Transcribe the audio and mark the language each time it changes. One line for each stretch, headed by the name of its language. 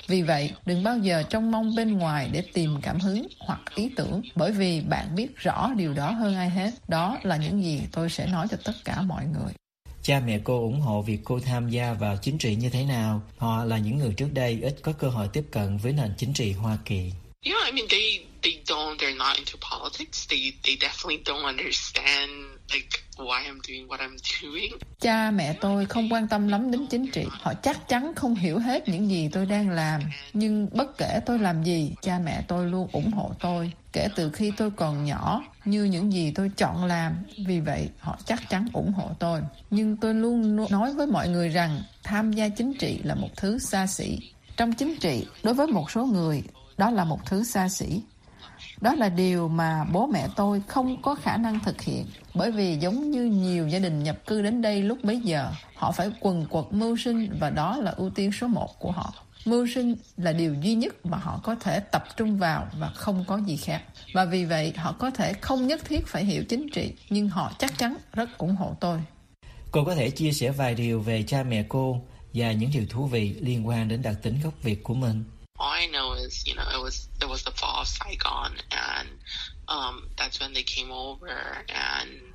Vietnamese: Vì vậy, đừng bao giờ trông mong bên ngoài để tìm cảm hứng hoặc ý tưởng, bởi vì bạn biết rõ điều đó hơn ai hết. Đó là những gì tôi sẽ nói cho tất cả mọi người. cha mẹ cô ủng hộ việc cô tham gia vào chính trị như thế nào. Họ là những người trước đây ít có cơ hội tiếp cận với nền chính trị Hoa Kỳ.
English: Yeah, I mean they're not into politics. They definitely don't understand like why I'm doing what I'm doing.
Vietnamese: Cha mẹ tôi không quan tâm lắm đến chính trị. Họ chắc chắn không hiểu hết những gì tôi đang làm. Nhưng bất kể tôi làm gì, cha mẹ tôi luôn ủng hộ tôi. Kể từ khi tôi còn nhỏ, như những gì tôi chọn làm, vì vậy họ chắc chắn ủng hộ tôi. Nhưng tôi luôn nói với mọi người rằng tham gia chính trị là một thứ xa xỉ. Trong chính trị, đối với một số người, đó là một thứ xa xỉ. Đó là điều mà bố mẹ tôi không có khả năng thực hiện, bởi vì giống như nhiều gia đình nhập cư đến đây lúc bấy giờ, họ phải quần quật mưu sinh và đó là ưu tiên số một của họ. Mưu sinh là điều duy nhất mà họ có thể tập trung vào và không có gì khác. Và vì vậy, họ có thể không nhất thiết phải hiểu chính trị, nhưng họ chắc chắn rất ủng hộ tôi. Cô có thể chia sẻ vài điều về cha mẹ cô và những điều thú vị liên quan đến đặc tính gốc Việt của mình.
English: All I know is, you know, it was the fall of Saigon, and that's when they came over, and